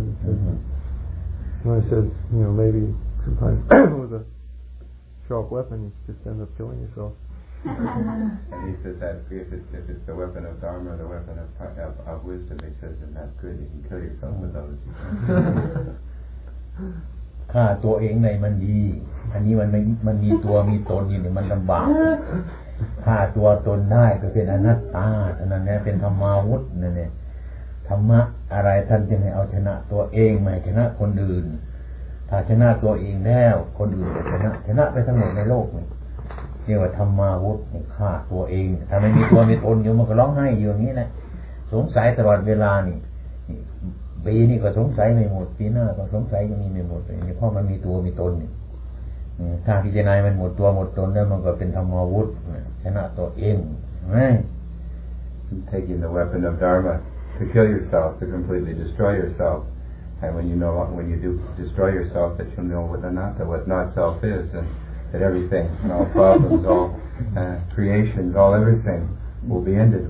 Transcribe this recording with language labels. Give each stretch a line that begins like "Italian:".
English: He said, I said, you know, maybe sometimes with a sharp weapon you just end up killing yourself. And he says that if it's the weapon of Dharma, the weapon of wisdom, he says, then that's good. You can kill yourself with those.
Thai: ฆ่าตัวเองในมันดีอันนี้มันมีตัวมีตนอยู่ในมันลำบากฆ่าตัวตนได้ก็เป็นอนัตตาอันนั้นเนี่ยเป็นธรรมาวุธนั่นเนี่ยธรรมะอะไรท่านจะให้เอาชนะตัวเองไม่ชนะคนอื่นถ้าชนะตัวเองแล้วคนอื่นจะชนะไปทั้งหมดในโลกเรียกว่าธรรมาวุธฆ่าตัวเองถ้าไม่มีตัวมีตนอยู่มันก็ร้องไห้อยู่อย่างนี้แหละสงสัยตลอดเวลานี่ ปีนี้ก็สงสัยไม่หมดปีหน้าก็สงสัยยังมีไม่หมดเพราะมันมีตัวมีตนถ้าพิจารณามันหมดตัวหมดตนแล้วมันก็เป็นธรรมาวุธชนะตัวเองไง
English: taking the weapon of dharma to kill yourself to completely destroy yourself and when you do destroy yourself that you'll know what not self isThat everything, all problems, all creations, all everything will be ended.